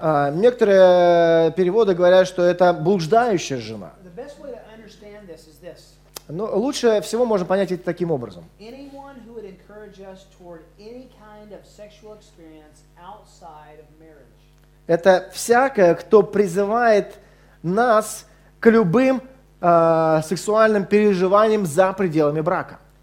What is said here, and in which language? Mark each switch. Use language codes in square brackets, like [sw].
[ru] Некоторые переводы говорят, что это блуждающая жена. [en] The best way to understand this is this. [ru] Но лучше всего можно понять это таким образом. [en] Anyone who would encourage us toward any kind of sexual experience outside of marriage. [ru] Это всякое, кто призывает нас к любым сексуальным переживанием за пределами брака.